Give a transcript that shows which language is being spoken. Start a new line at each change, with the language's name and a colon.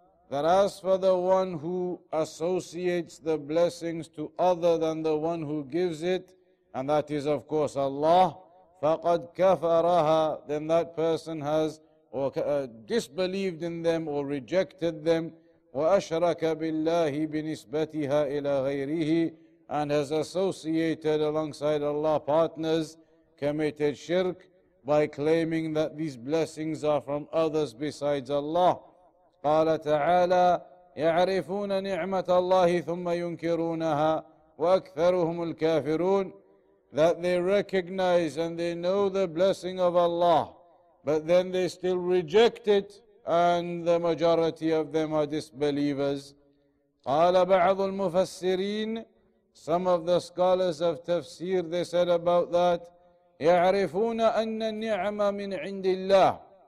English: That as for the one who associates the blessings to other than the one who gives it, and that is of course Allah,
Arabic: فَقَدْ كَفَرَهَا,
English: then that person has disbelieved in them or rejected them,
Arabic: وَأَشْرَكَ بِاللَّهِ بِنِسْبَتِهَا إِلَى غَيْرِهِ,
English: and has associated alongside Allah partners, committed shirk by claiming that these blessings are from others besides Allah.
Arabic: قال تعالى يعرفون نعمة الله ثم ينكرونها وأكثرهم الكافرون.
English: That they recognize and they know the blessing of Allah, but then they still reject it, and the majority of them are disbelievers.
Arabic: قال بعض المفسرين,
English: some of the scholars of tafsir, they said about that,
Arabic: يعرفون أن النعمة من عند الله.